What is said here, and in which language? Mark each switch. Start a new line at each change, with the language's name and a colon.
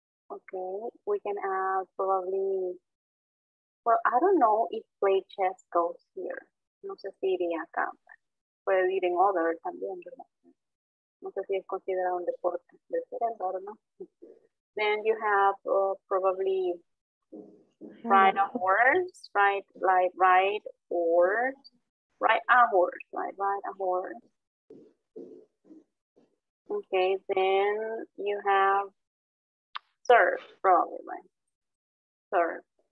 English: Okay, we can add probably, well, I don't know if play chess goes here.
Spanish: No sé si iría acá. Puede ir en other también, ¿verdad? No sé si es considerado un deporte de cerebro, ¿no?
English: Then you have probably write a horse, right? Like ride horse, write a horse, right? Ride a horse. Okay, then you have surf, probably, right? Surf.